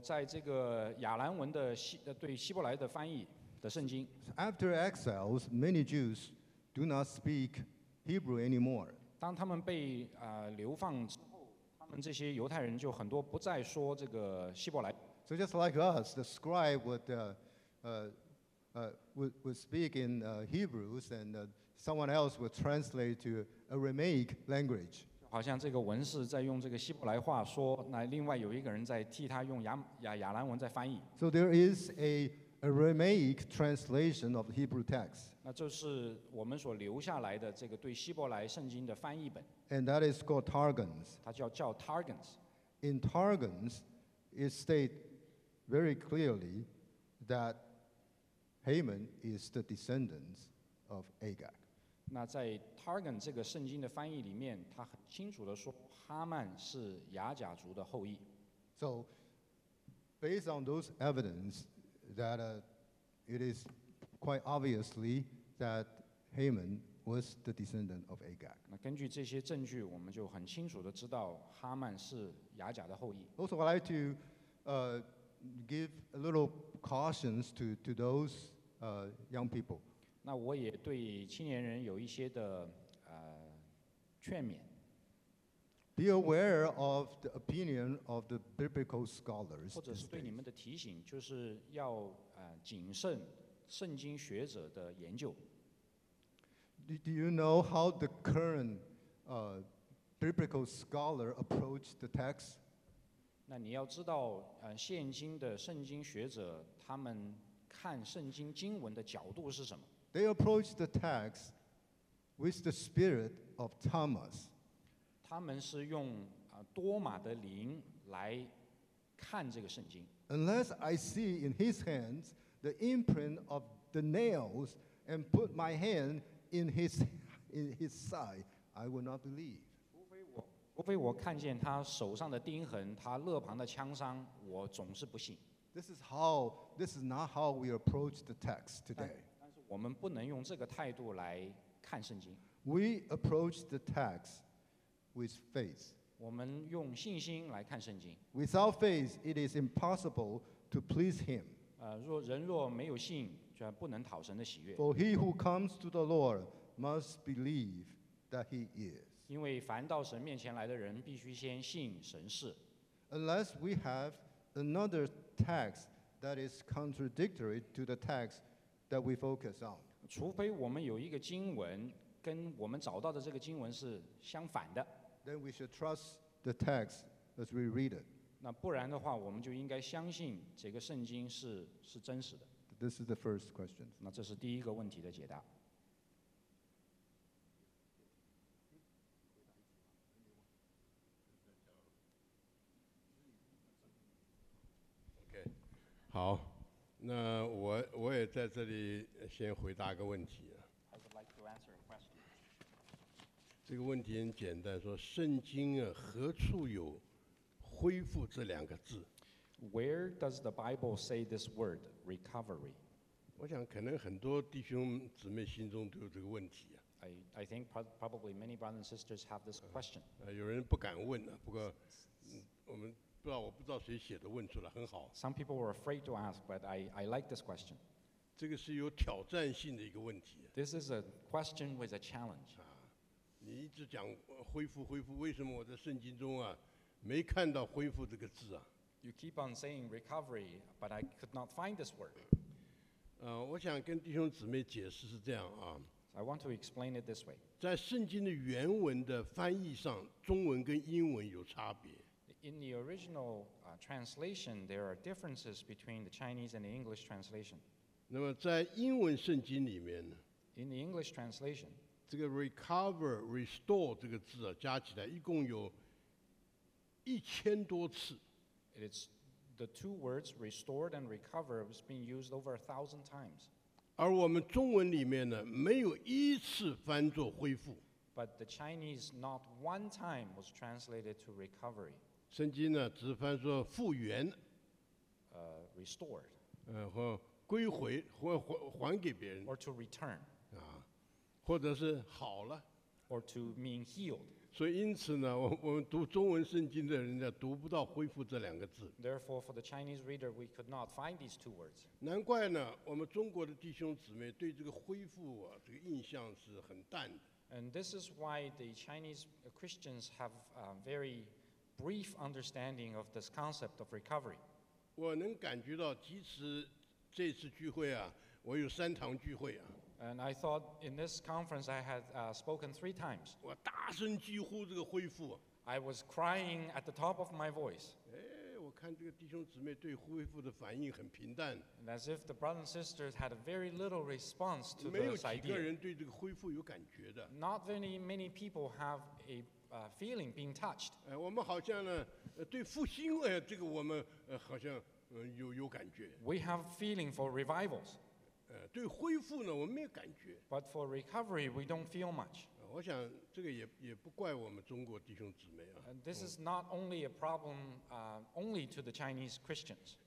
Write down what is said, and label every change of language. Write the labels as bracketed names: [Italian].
[Chinese] 在这个亚兰文的对希伯来的翻译的圣经。 [English] After exiles, many Jews do not speak. Hebrew anymore. [Chinese] 当他们被流放之后，他们这些犹太人就很多不再说这个希伯来。 [English] So just like us, the scribe would speak in Hebrews, and someone else would translate to Aramaic language. [Chinese] 好像这个文士在用这个希伯来话说，那另外有一个人在替他用亚兰文在翻译。 [English] So there is a Aramaic translation of the Hebrew text. [Chinese] 那就是我们所留下来的这个对希伯来圣经的翻译本。 [English] And that is called Targums. [Chinese] 它叫 Targums. [English] In Targums, it states very clearly that Haman is the descendant of Agag. [Chinese] 那在 Targum 这个圣经的翻译里面，它很清楚地说哈曼是雅甲族的后裔。 [English] So, based on those evidence,that it is quite obviously that Haman was the descendant of Agag. [Chinese] 那根据这些证据，我们就很清楚地知道哈曼是雅甲的后裔。 [English] Also, I'd like to give a little cautions to those young people. [Chinese] 那我也对青年人有一些的劝勉。 [English] Be aware of the opinion of the biblical scholars. [Chinese] 或者是对你们的提醒，就是要谨慎圣经学者的研究。 [English] Do you know how the current biblical scholar approach the text? [Chinese] 那你要知道，现今的圣经学者他们看圣经经文的角度是什么。 [English] They approach the text with the spirit of Thomas. [Chinese] 他们是用多马的灵来看这个圣经。 [English] Unless I see in his hands the imprint of the nails and put my hand in his side, I will not believe. [Chinese] 除非我看见他手上的钉痕，他肋旁的枪伤，我总是不信。 [English] This is not how we approach the text today. [Chinese] 但是我们不能用这个态度来看圣经。 [English] We approach the text with faith. [Chinese] 我们用信心来看圣经。 [English] Without faith, it is impossible to please Him. [Chinese] 人若没有信，就不能讨神的喜悦。 [English] For he who comes to the Lord must believe that He is. [Chinese] 因为凡到神面前来的人必须先信神是。 [English] Unless we have another text that is contradictory to the text that we focus on. [Chinese] 除非我们有一个经文跟我们找到的这个经文是相反的。 [English] Then we should trust the text as we read it. [Chinese] 那不然的话我们就应该相信这个圣经是真实的。 [English] This is the first question. [Chinese] 那这是第一个问题的解答。好，那我也在这里先回答个问题啊。 [English] I would like to answer a question. [Chinese] 这个问题很简单，说圣经啊，何处有恢复这两个字 [English] ？Where does the Bible say this word, recovery? [Chinese] 我想可能很多弟兄姊妹心中都有这个问题啊。 [English] I think probably many brothers and sisters have this question. [Chinese] 有人不敢问啊，不过我们。我不知道谁写的问出来很好。 [English] Some people were afraid to ask, but I like this question. [Chinese] 这个是有挑战性的一个问题。 [English] This is a question with a challenge. [Chinese] 啊，你一直讲恢复恢复，为什么我在圣经中啊没看到恢复这个字啊 [English] ？You keep on saying recovery, but I could not find this word. [Chinese] 我想跟弟兄姊妹解释是这样啊。 [English] I want to explain it this way. [Chinese] 在圣经的原文的翻译上，中文跟英文有差别。 [English] In the original translation, there are differences between the Chinese and the English translation. [Chinese] 那么在英文圣经里面呢 [English] ？In the English translation, [Chinese] 这个 recover, restore 这个字啊，加起来一共有1000多次。 [English] It's the two words restored and recover has been used over 1000 times. [Chinese] 而我们中文里面呢，没有一次翻作恢复。 [English] But the Chinese, not one time was translated to recovery. [Chinese] 圣经呢，只翻说复原， [English] restored， [Chinese] 或归回，或还给别人 [English] ，or to return， [Chinese] 啊，或者是好了 [English] ，or to mean healed。 [Chinese] 所以因此呢，我们读中文圣经的人呢，读不到恢复这两个字。 [English] Therefore, for the Chinese reader, we could not find these two words. [Chinese] 难怪呢，我们中国的弟兄姊妹对这个恢复啊，这个印象是很淡的。 [English] And this is why the Chinese Christians have a very brief understanding of this concept of recovery. [Chinese] 我能感觉到，即使这次聚会啊，我有3堂聚会啊。 [English] And I thought in this conference I had spoken 3 times. [Chinese] 我大声疾呼这个恢复。 [English] I was crying at the top of my voice. [Chinese] 我看这个弟兄姊妹对恢复的反应很平淡。 [English] And as if the brothers and sisters had a very little response to this idea. [Chinese] 没有几个人对这个恢复有感觉的。 [English] Not very many people have a. Feeling being touched. [Chinese] 我们好像呢，对复兴这个我们好像有感觉。 [English] We have feeling for revivals. [Chinese] 对恢复呢，我们没有感觉。 [English] But for recovery, we don't feel much. [Chinese] 我想这个也不怪我们中国弟兄姊妹啊。 [English] And this is not only a problem only to the Chinese Christians.